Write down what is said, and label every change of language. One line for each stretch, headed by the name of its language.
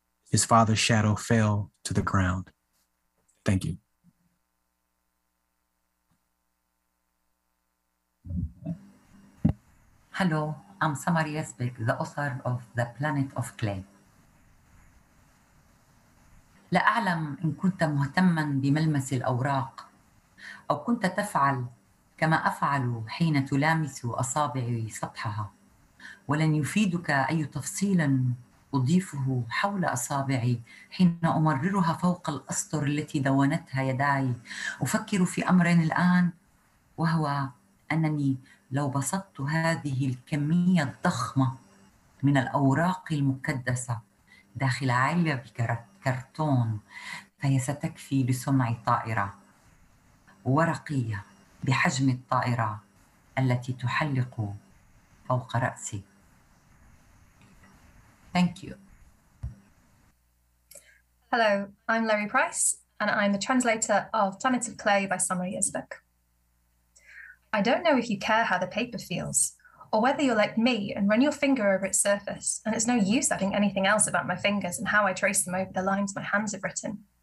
English: His father's shadow fell to the ground. Thank you. Hello, I'm Samari Esbeck, the author of The Planet of Clay.
Arabic: لا أعلم إن كنت مهتماً بملمس الأوراق أو كنت تفعل كما أفعل حين تلامس أصابعي سطحها ولن يفيدك أي تفصيل أضيفه حول أصابعي حين أمررها فوق الأسطر التي دونتها يداي أفكر في أمر الآن وهو أنني لو بسطت هذه الكمية الضخمة من الأوراق المكدسة داخل علبة كرتون فهي ستكفي لصنع طائرة ورقية بحجم الطائرة التي تحلق فوق رأسي.
English: Thank you. Hello, I'm Larry Price, and I'm the translator of Planet of Clay by Samari Esbeck. I don't know if you care how the paper feels, or whether you're like me and run your finger over its surface, and it's no use adding anything else about my fingers and how I trace them over the lines my hands have written.